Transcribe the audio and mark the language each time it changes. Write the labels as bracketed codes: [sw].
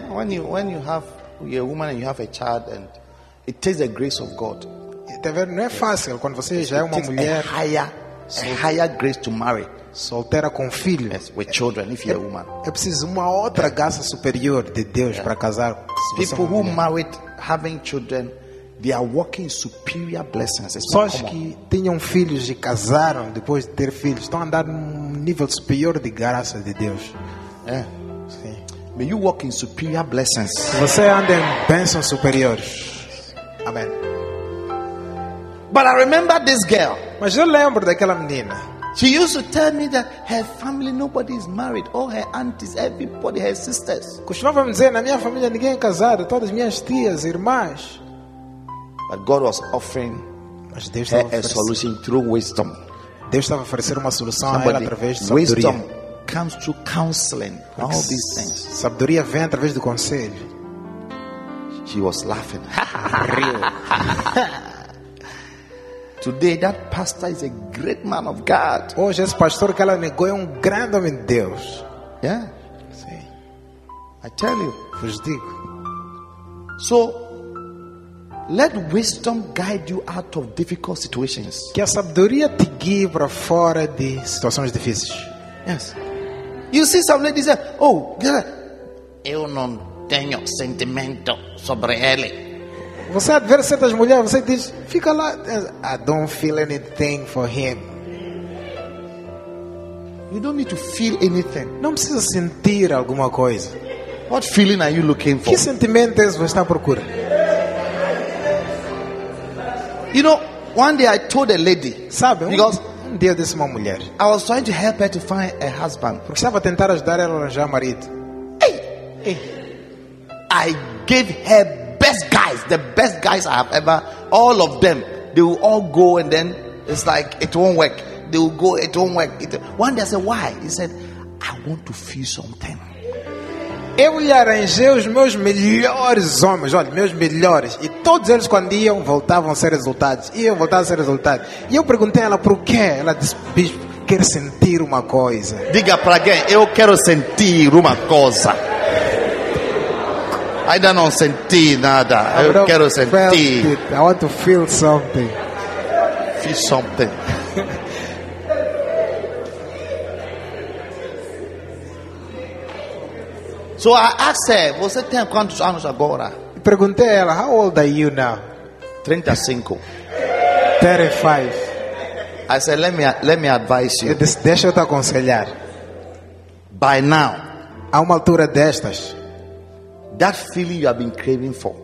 [en] When you have a woman and you have a child, and it takes the grace of God. [pt] Não é fácil quando você já é uma mulher. [en] A higher grace to marry, [pt] solteira com filho, [en] yes, with children, if you're a woman. [pt] É preciso uma outra graça superior de Deus para casar. [en] People who married having children, they are walking superior blessings. [pt] Pessoas que tenham filhos e casaram depois de ter filhos estão a andar num nível superior de graça de Deus. É. Sim. [en] May you walk in superior blessings. [pt] Você anda em bênçãos superiores. Amém. [en] But I remember this girl. [pt] Mas eu lembro daquela menina. [en] She used to tell me that her family, nobody is married. All her aunties, everybody, her sisters. [pt] Costumava me dizer, na minha família ninguém é casado. Todas as minhas tias, irmãs. [en] But God was offering a solution through wisdom. [pt] Deus estava oferecendo uma solução a ela através de sabedoria. [en] Wisdom comes through counseling. All these things. [pt] Sabedoria vem através do conselho. [en] She was laughing. Real. Today that pastor is a great man of God. [pt] Hoje esse pastor que ela negou é um grande homem de Deus. [en] Yeah. [pt] Sim. [en] I tell you. [pt] Vos digo. [en] So, let wisdom guide you out of difficult situations. [pt] Que a sabedoria te guie para fora de situações difíceis. [en] Yes. You see some lady say, oh, girl, [pt] eu não tenho sentimento sobre ele. Você adverte certas mulheres, você diz, fica lá. [en] I don't feel anything for him. You don't need to feel anything. [pt] Não precisa sentir alguma coisa. [en] What feeling are you looking for? [pt] Que sentimento você está procurando? [en] You know, one day I told a lady, [pt] sabe, [en] because [pt] dia desse uma mulher, [en] I was trying to help her to find a husband. [pt] Porque estava a tentar ajudar ela a arranjar um marido. [en] Hey, I gave her best guys, the best guys I have ever. All of them, they will all go, and then it's like it won't work. They will go, it won't work. One day I said, why? He said, I want to feel something. [pt] Eu lhe arranjei os meus melhores homens, olha, meus melhores. E todos eles, quando iam, voltavam a ser resultados. Iam, voltavam a ser resultados. E eu perguntei a ela por quê. Ela disse, bispo, quero sentir uma coisa. Diga para quem? Eu quero sentir uma coisa. Ainda não senti nada. Eu quero sentir. [en] I want to feel something. Feel something. So I asked her, [pt] você tem quantos anos agora? Perguntei a ela, [en] how old are you now? 35. [pt] 35. [en] I said, let me advise you. [pt] Deixa eu te aconselhar. [en] By now, [pt] a uma altura destas, [en] that feeling you have been craving for,